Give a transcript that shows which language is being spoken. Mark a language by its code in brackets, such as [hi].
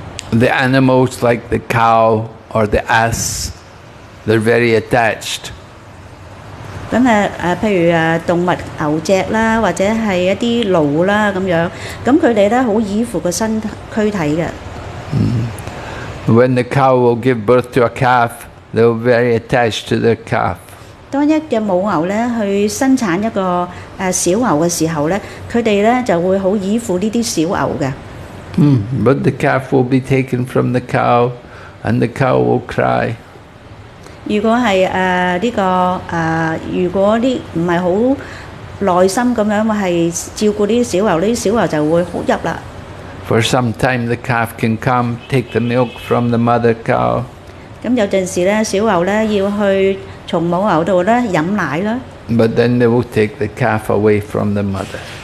[en] The animals like the cow or the ass, they're very attached. [yue] 咁譬如動物牛隻啦，或者係一啲驢啦咁樣，咁佢哋咧好依附個身軀體嘅。 [en] When the cow will give birth to a calf, they're very attached to their calf. [yue] 當一隻母牛咧去生產一個小牛嘅時候咧，佢哋咧就會好依附呢啲小牛嘅。 [en] But the calf will be taken from the cow, and the cow will cry. [yue] 如果唔係好耐心咁樣，係照顧啲小牛，啲小牛就會哭泣啦。 [en] For some time, the calf can come, take the milk from the mother cow. [yue] 咁有陣時咧，小牛咧要去從母牛度咧飲奶啦。 [en] But then they will take the calf away from the mother.